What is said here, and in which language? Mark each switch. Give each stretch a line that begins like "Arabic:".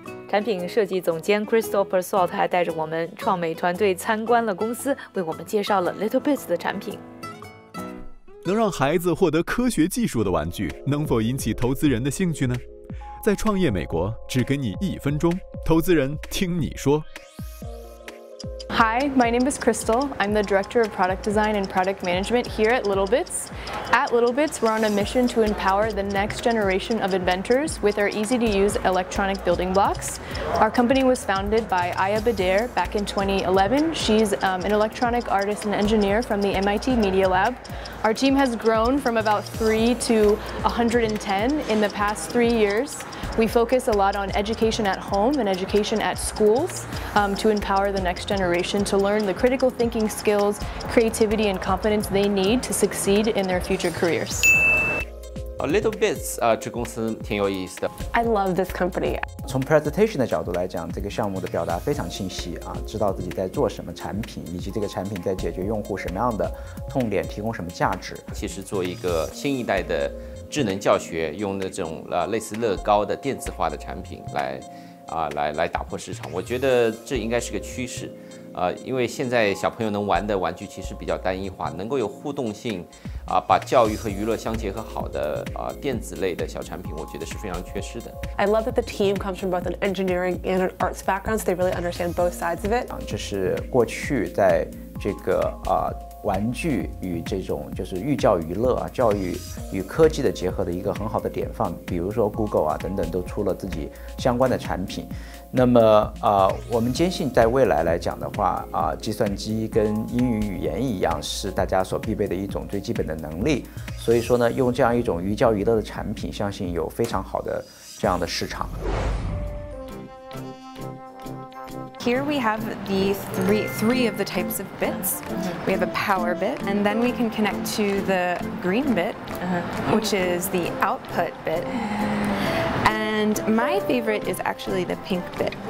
Chinese: 产品设计总监 Krystal of Persaud 还带着我们创美团队参观了公司，为我们介绍了 LittleBits 的产品。能让孩子获得科学技术的玩具，能否引起投资人的兴趣呢？在创业美国，只给你1分钟，投资人听你说。
English: Hi, my name is Krystal. I'm the Director of Product Design and Product Management here at LittleBits. At LittleBits, we're on a mission to empower the next generation of inventors with our easy-to-use electronic building blocks. Our company was founded by Aya Badair back in 2011. She's an electronic artist and engineer from the MIT Media Lab. Our team has grown from about 3 to 110 in the past 3 years. We focus a lot on education at home and education at schools, to empower the next generation to learn the critical thinking skills, creativity, and confidence they need to succeed in their future careers.
Chinese: LittleBits, 这公司挺有意思的。
English: I love this company.
Chinese: 从 presentation 的角度来讲，这个项目的表达非常清晰啊，知道自己在做什么产品，以及这个产品在解决用户什么样的痛点，提供什么价值。其实做一个新一代的智能教学用的这种类似乐高的电子化的产品来打破市场，我觉得这应该是个趋势，因为现在小朋友能玩的玩具其实比较单一化，能够有互动性，把教育和娱乐相结合好的电子类的小产品，我觉得是非常缺失的。
English: I love that the team comes from both an engineering and an arts background, so they really understand both sides of it.
Chinese: 这是过去在这个玩具与这种就是寓教于乐啊，教育与科技的结合的一个很好的典范，比如说 Google 啊等等都出了自己相关的产品。那么我们坚信在未来来讲的话计算机跟英语语言一样是大家所必备的一种最基本的能力，所以说呢，用这样一种寓教于乐的产品，相信有非常好的这样的市场。
English: Here we have the three of the types of bits. We have a power bit, and then we can connect to the green bit, which is the output bit. And my favorite is actually the pink bit.